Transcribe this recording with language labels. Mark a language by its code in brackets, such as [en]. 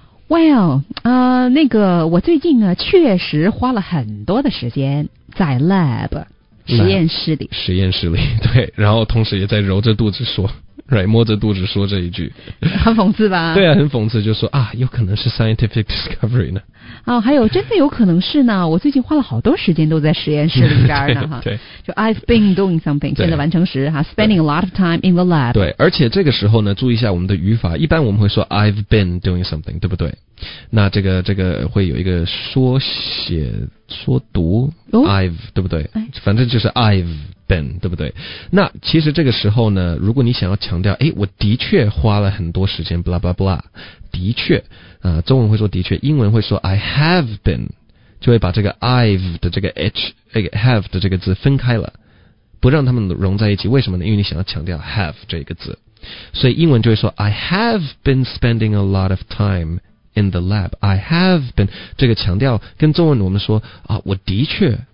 [zh] Well， 那个我最近呢确实花了很多的时间在 lab。实验室里，实验室里，对，然后同时也在揉着肚子说，摸着肚子说这一句，很讽刺吧？对啊，很讽刺，就说啊，有可能是 [en] scientific discovery [zh] 呢。哦，还有真的有可能是呢，我最近花了好多时间都在实验室里边呢，对， [en] 就 I've been doing something， [zh] 现在完成时哈 [en] ，spending a lot of time in the lab。 [zh] 对，而且这个时候呢，注意一下我们的语法，一般我们会说 [en] I've been doing something， [zh] 对不对？那这个会有一个缩写缩读、I've 对不对、哎、反正就是 [en] I've been [zh] 对不对，那其实这个时候呢如果你想要强调诶我的确花了很多时间 [en] blah blah blah [zh] 的确、中文会说的确，英文会说 [en] I have been， [zh] 就会把这个 I've 的这个 H have 的这个字分开了，不让他们融在一起，为什么呢？因为你想要强调 have 这个字，所以英文就会说 [en] I have been spending a lot of timeIn the lab, I have been. [zh] 这个强调跟中文我们说啊，我的确